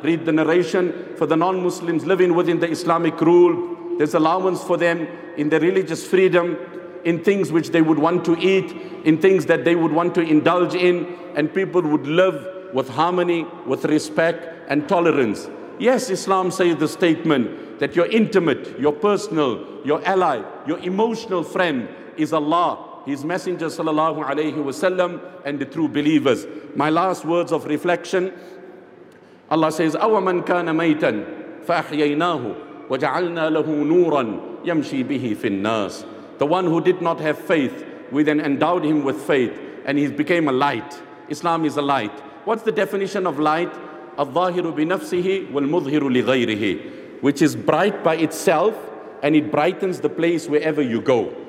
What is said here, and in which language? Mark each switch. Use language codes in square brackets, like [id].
[en] Read the narration. For the non-Muslims living within the Islamic rule, there's allowance for them in their religious freedom, in things which they would want to eat, in things that they would want to indulge in, and people would live with harmony, with respect and tolerance. Yes, Islam says the statement that your intimate, your personal, your ally, your emotional friend is Allah, His Messenger sallallahu alayhi wasallam, and the true believers. My last words of reflection, Allah says, [ar] أَوَمَنْ كَانَ مَيْتًا فَأَحْيَيْنَاهُ وَجَعَلْنَا لَهُ نُورًا يَمْشِي بِهِ فِي النَّاسِ. [en] The one who did not have faith, we then endowed him with faith and he became a light. Islam is a light. What's the definition of light? [ar] الظَّاهِرُ بِنَفْسِهِ وَالْمُظْهِرُ لِغَيْرِهِ, [en] which is bright by itself and it brightens the place wherever you go.